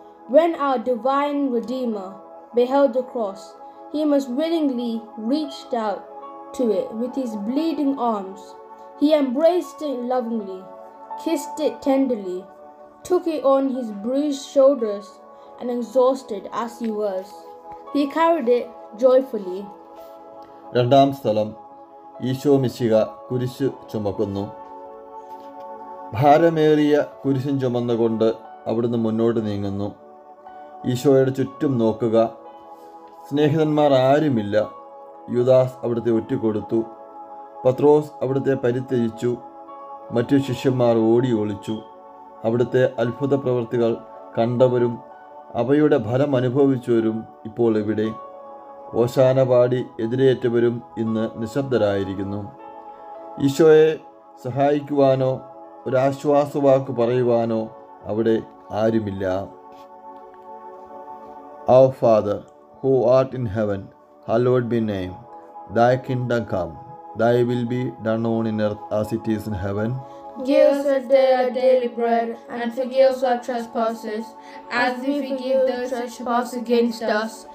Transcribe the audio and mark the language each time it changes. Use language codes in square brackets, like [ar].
[en] When our divine Redeemer beheld the cross, he most willingly reached out to it with his bleeding arms. He embraced it lovingly, kissed it tenderly, took it on his bruised shoulders, and exhausted as he was, he carried it joyfully. [ml] രണ്ടാം സ്ഥലം, ഈശോ മിശിഹ കുരിശ് ചുമക്കുന്നു. ഭാരമേറിയ കുരിശും ചുമന്നുകൊണ്ട് അവിടുന്ന് മുന്നോട്ട് നീങ്ങുന്നു. ഈശോയുടെ ചുറ്റും നോക്കുക, സ്നേഹിതന്മാർ ആരുമില്ല. യൂദാസ് അവിടുത്തെ ഒറ്റിക്കൊടുത്തു. പത്രോസ് അവിടുത്തെ പരിത്യജിച്ചു. മറ്റു ശിഷ്യന്മാർ ഓടി ഒളിച്ചു. അവിടുത്തെ അത്ഭുത പ്രവൃത്തികൾ കണ്ടവരും അവയുടെ ഫലം അനുഭവിച്ചവരും ഇപ്പോൾ ഇവിടെ. ഓശാന പാടി എതിരേറ്റവരും ഇന്ന് നിശബ്ദരായിരിക്കുന്നു. ഈശോയെ സഹായിക്കുവാനോ ഒരാശ്വാസവാക്ക് പറയുവാനോ അവിടെ ആരുമില്ല. [en] Our Father, who art in heaven, hallowed be name. Thy kingdom come. Thy will be done on earth as it is in heaven. Give us this day our daily bread, and forgive us our trespasses, as we forgive those who trespass against us.